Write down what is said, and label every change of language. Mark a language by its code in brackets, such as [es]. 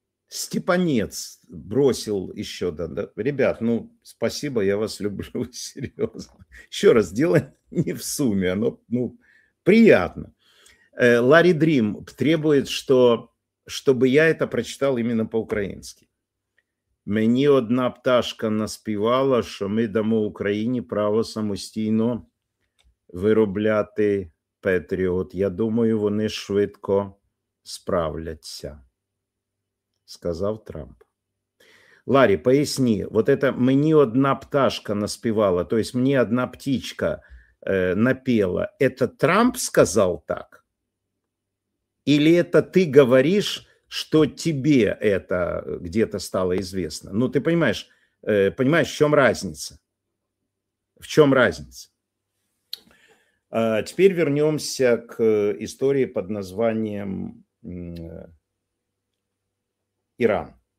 [ru] Степанец бросил еще. Да. Ребят, ну, спасибо, я вас люблю, серьезно. Еще раз, дело не в сумме, оно, ну, приятно. Ларри Дрим требует, чтобы я это прочитал именно по-украински. [uk] Мені одна пташка наспівала, що ми дамо Україні право самостійно виробляти... Петріот, я думаю, вони швидко справляться, сказав Трамп. Ларі, поясни, [ru] вот это [uk] мені одна пташка наспівала, [ru] то есть [uk] мені одна [ru] птичка напела, это [uk] Трамп сказав так? [ru] Или это ты говоришь, что тебе это где-то стало известно? Ну, ты понимаешь, в чем разница? В чем разница? Теперь вернемся к истории под названием Иран.